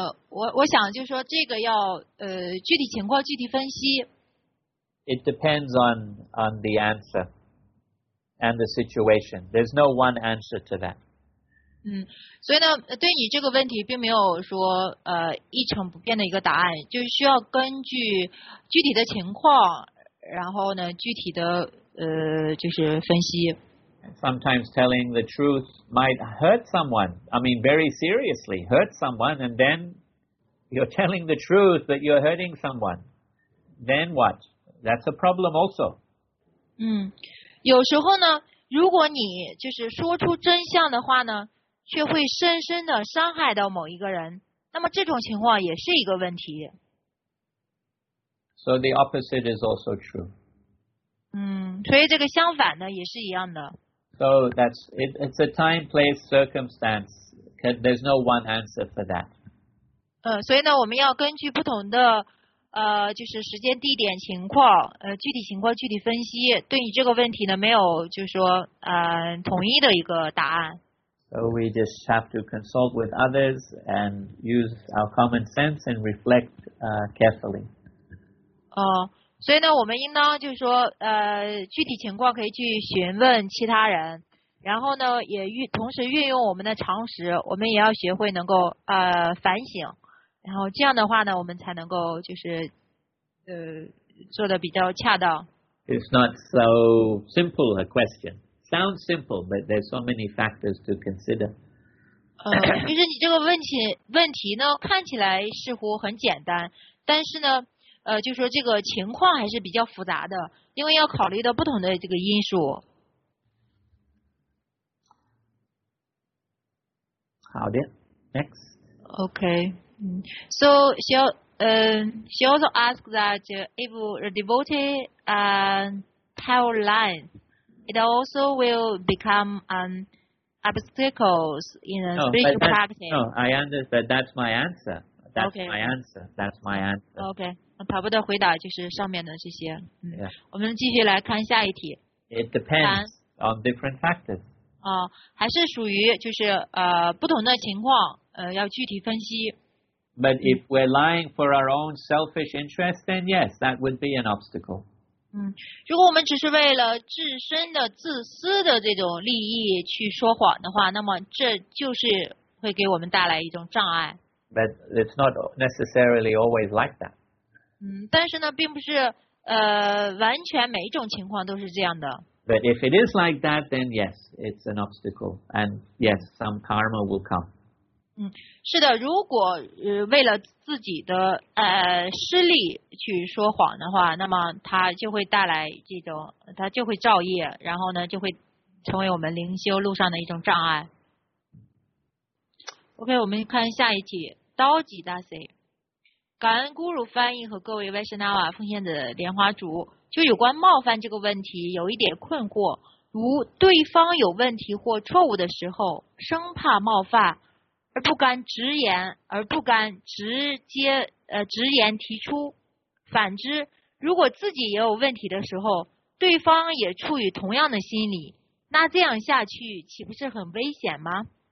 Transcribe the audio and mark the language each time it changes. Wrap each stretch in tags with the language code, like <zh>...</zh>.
<zh>我想就是说这个要具体情况具体分析。</zh> <en>It depends on the answer and the situation. There's no one answer to that.</en> <zh>所以呢，对你这个问题并没有说一成不变的一个答案，就是需要根据具体的情况，然后呢具体的就是分析。</zh> <en>Sometimes telling the truth might hurt someone. I mean, very seriously hurt someone. And then you're telling the truth, but you're hurting someone. Then what? That's a problem also.</en> <zh>有时候呢，如果你就是说出真相的话呢，却会深深的伤害到某一个人，那么这种情况也是一个问题。</zh> <en>So the opposite is also true.</en> <zh>所以这个相反呢，也是一样的。</zh> <en>So that's it, it's a time, place, circumstance. There's no one answer for that.</en> <zh>所以呢，我们要根据不同的就是时间、地点、情况，具体情况具体分析。对你这个问题呢，没有就是说统一的一个答案。</zh> <en>So we just have to consult with others and use our common sense and reflect carefully.</en> <zh>所以呢，我们应当就是说，具体情况可以去询问其他人，然后呢，也同时运用我们的常识，我们也要学会能够反省，然后这样的话呢，我们才能够就是做得比较恰当。</zh> <en>It's not so simple a question. Sounds simple, but there's so many factors to consider.</en> <zh>就是你这个问题呢，看起来似乎很简单，但是呢。就说这个情况还是比较复杂的，因为要考虑到不同的这个因素。好的 ， next.</zh> <en>Okay. So she also asked that if a devotee have lines, it also will become obstacles in a spiritual practice. No, I understand. That's my answer. That's okay. My answer. That's my answer. Okay.</en> <zh>跑步的回答就是上面的这些。</zh> <en>Yeah.</en> <zh>我们继续来看下一题。</zh> <en>It depends on different factors.</en> <zh>还是属于就是不同的情况，要具体分析。</zh> <en>But if we're lying for our own selfish interest, then yes, that would be an obstacle.</en> <zh>如果我们只是为了自身的自私的这种利益去说谎的话，那么这就是会给我们带来一种障碍。</zh> <en>But it's not necessarily always like that.</en> <zh>但是呢，并不是完全每一种情况都是这样的。</zh> <en>But if it is like that, then yes, it's an obstacle, and yes, some karma will come.</en> <zh>是的，如果为了自己的失利去说谎的话，那么它就会带来这种，它就会造业，然后呢，就会成为我们灵修路上的一种障碍。 OK， 我们看下一题，刀吉大 C。感恩 Guru 翻译和各位 Vaishnava 奉献的莲花主，就有关冒犯这个问题有一点困惑，如对方有问题或错误的时候，生怕冒犯而不敢直言，而不敢直接直言提出，反之如果自己也有问题的时候，对方也处于同样的心理，那这样下去岂不是很危险吗？</zh>